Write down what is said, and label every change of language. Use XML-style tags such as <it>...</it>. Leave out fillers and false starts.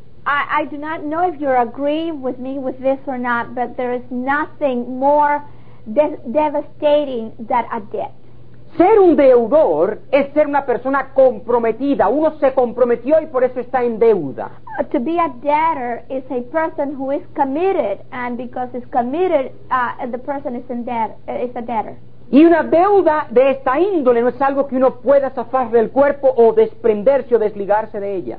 <en>I do not know if you agree with me with this or not, but there is nothing more devastating than a debt.</en> <es>Ser un deudor es ser una persona comprometida. Uno se comprometió y por eso está en deuda.</es> <en>To be a debtor is a person who is committed, and because is committed, the person is in debt, is a debtor.</en> <es>Y una deuda de esta índole no es algo que uno pueda zafar del cuerpo o desprenderse o desligarse de ella.</es>